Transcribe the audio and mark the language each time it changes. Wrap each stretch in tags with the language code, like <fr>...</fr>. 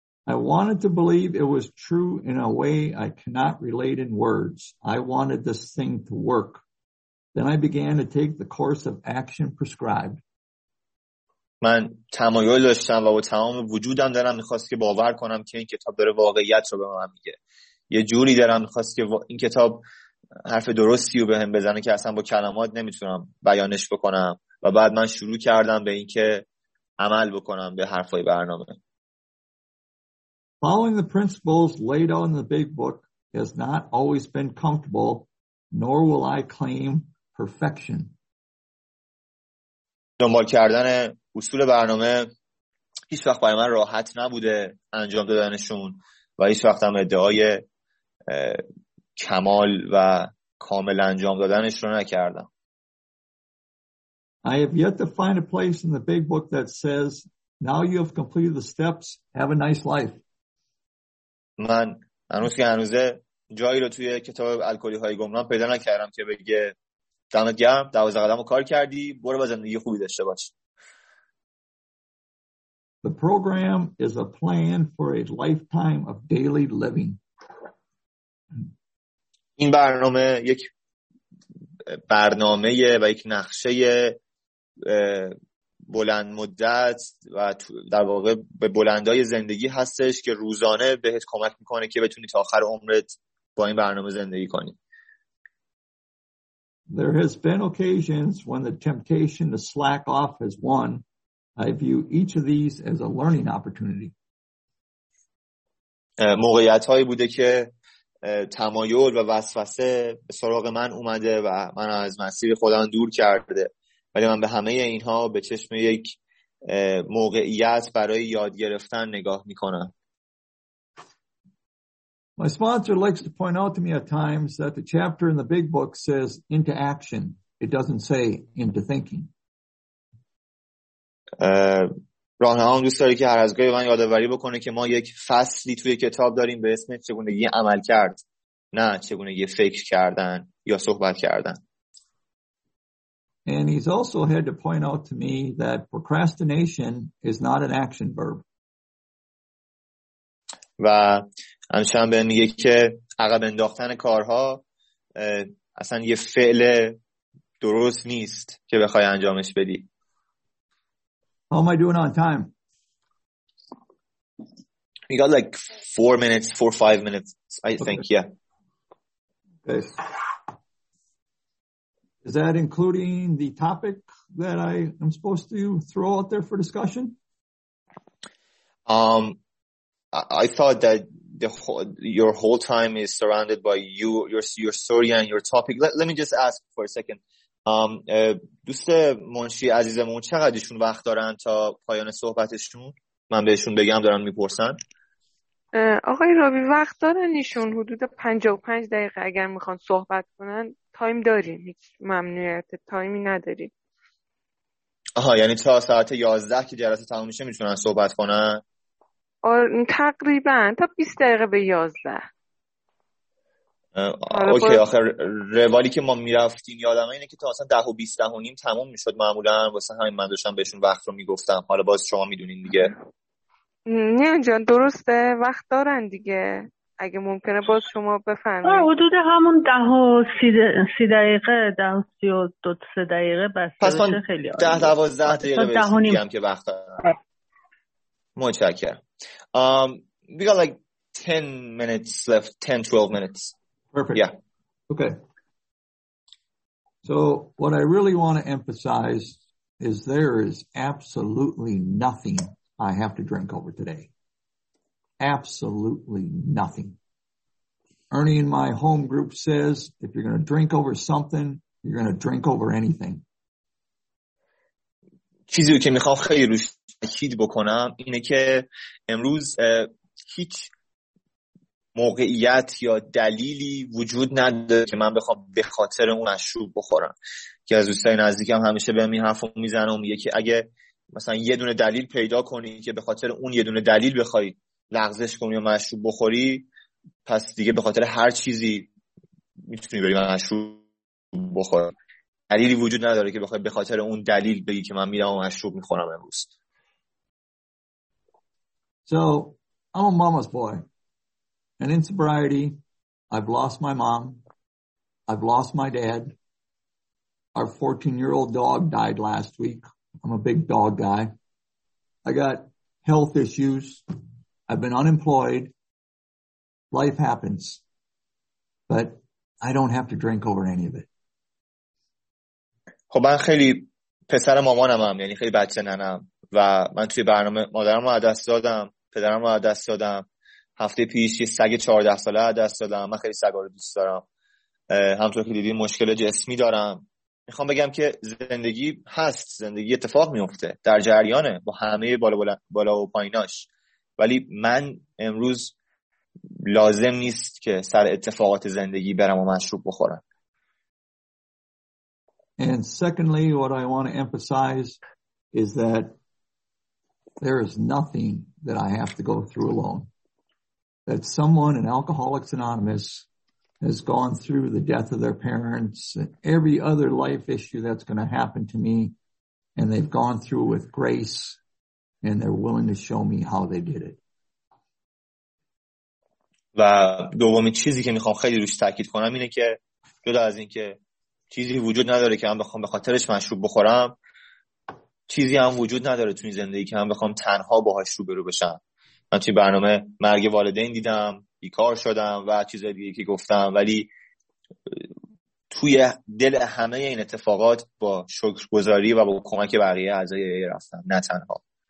<en>I wanted to believe it was true in a way I cannot relate in words. I wanted this thing to work. Then I began to take the course of action prescribed.</en> <fa>من تمایل داشتم و با تمام وجودم دارم میخواست که باور کنم که این کتاب داره واقعیت رو به من میگه. یه جوری دارم میخواست که این کتاب حرف درستی رو به هم بزنه که اصلا با کلمات نمیتونم بیانش بکنم و بعد من شروع کردم به این که عمل بکنم به حرفای برنامه.</fa> <en>Following the principles laid out in the big book has not always been comfortable, nor will I claim perfection.</en> <fa>دنبال کردن اصول برنامه هیچ وقت برای من راحت نبوده انجام دادنشون و هیچ وقت هم ادعای کمال و کامل انجام دادنش رو نکردم.</fa> <en>I have yet to find a place in the big book that says now you have completed the steps, have a nice life.</en> <fa>من هنوز جایی رو توی کتاب الکلی‌های گمنام پیدا نکردم که بگه دمت گرم 12 قدم رو کار کردی برو با زندگی خوبی داشته باش.</fa> <en>The program is a plan for a lifetime of daily living.</en> <fa>این برنامه یک برنامه و یک نقشه بلند مدت و در واقع به بلندای زندگی هستش که روزانه بهت کمک میکنه که بتونی تا آخر عمرت با این برنامه زندگی کنی.</fa> <en>There has been occasions when the temptation to slack off has won. I view each of these as a learning opportunity.</en> <fa>موقعیت‌هایی بوده که تمایل و وسوسه به سراغ من اومده و من از مسیر خودم دور کرده. ولی من به همه اینها به چشم یک موقعیت برای یاد گرفتن نگاه می‌کنم.</fa> <en>My sponsor likes to point out to me at times that the chapter in the big book says into action. It doesn't say into thinking.</en> <fa>راهنمام دوست داره که هر از گاهی من یادآوری بکنه که ما یک فصلی توی کتاب داریم به اسم چگونگی عمل کرد نه چگونگی فکر کردن یا صحبت کردن.</fa> <en>And he's also had to point out to me that procrastination is not an action verb.</en> <fa>و همچنان به میگه که عقب انداختن کارها اصلا یه فعل درست نیست که بخوای انجامش بدی.</fa> <en>How am I doing on time? We got like 4 minutes, 4 or 5 minutes, I think, okay. Yeah. Okay. Is that including the topic that I am supposed to throw out there for discussion? I thought that your whole time is surrounded by you, your story and your topic. Let me just ask for a second.</en> <fa>دوست منشی عزیزمون چقدر ایشون وقت دارن تا پایان صحبتشون؟ من بهشون بگم دارن میپرسن. آقای رابی وقت دارن ایشون حدود 55 دقیقه اگر میخوان صحبت کنن تایم داریم، هیچ ممنوعیت تایمی نداریم. آها، یعنی تا ساعت 11 که جلسه تموم میشه میتونن صحبت کنن؟ تقریبا تا 20 دقیقه به 11. اوکی، آخر روالی که ما میرفتیم یادم اینه که تا اصلا 10 و 20 10 و نیم تموم میشد معمولا، واسه همین من داشتم بهشون وقت رو میگفتم. حالا باز شما میدونین دیگه. نه جان درسته، وقت دارن دیگه، اگه ممکنه باز شما بفرمایید. حدود همون 10 و 30 دقیقه، 10 و 32 دقیقه بس باشه، خیلی عالی. 10 تا 12 دقیقه میگم که وقت دارن. متشکرم.</fa> <en>We got like 10 minutes left, 10 12 minutes. Perfect. Yeah. Okay. So what I really want to emphasize is there is absolutely nothing I have to drink over today. Absolutely nothing. Ernie in my home group says, if you're going to drink over something, you're going to drink over anything.</en> <fa>چیزی که میخوام خیلی روش تاکید بکنم اینه که امروز هیچ موقعیت یا دلیلی وجود نداره که من بخوام به خاطر اون مشروب بخورم. که از دوستای نزدیکم همیشه به من حرفو میزنه و میگه که اگه مثلا یه دونه دلیل پیدا کنی که به خاطر اون یه دونه دلیل بخوای لغزش کنی یا مشروب بخوری، پس دیگه به خاطر هر چیزی میتونی بری مشروب بخوری. دلیلی وجود نداره که بخوای به خاطر اون دلیل بگی که من میرم و مشروب میخورم امروز.</fa> <en>So, I'm a mama's boy. And in sobriety, I've lost my mom, I've lost my dad, our 14-year-old dog died last week, I'm a big dog guy, I got health issues, I've been unemployed, life happens, but I don't have to drink over any of it.</en> <fa>خب من خیلی پسر مامانم هم، یعنی خیلی بچه ننم و من توی برنامه مادرم رو عدست دادم، پدرم رو عدست دادم. هفته پیش یه سگ 14 ساله دست دادم. من خیلی سگا رو دوست دارم. همونطور که دیدین مشکل جسمی دارم. میخوام بگم که زندگی هست، زندگی اتفاق میفته، در جریانه با همه بالا و پایین‌هاش. ولی من امروز لازم نیست که سر اتفاقات زندگی برم و مشروب بخورم.</fa> <en>And secondly, what I want to emphasize is that there is nothing that I have to go through alone. That someone in Alcoholics Anonymous has gone through the death of their parents and every other life issue that's going to happen to me, and they've gone through with grace, and they're willing to show me how they did it.</en> <fa>و دومین چیزی که میخوام خیلی روش تاکید کنم اینه که جدا از این که چیزی وجود نداره که من بخوام به خاطرش مشروب بخورم، چیزی هم وجود نداره توی زندگی که من بخوام تنها باهاش روبرو بشم. من توی برنامه مرگ والدین دیدم، بیکار شدم و چیزهای دیگه که گفتم، ولی توی دل همه این اتفاقات با شکرگزاری و با کمک بقیه اعضای ای رفتم، نه تنها.</fa>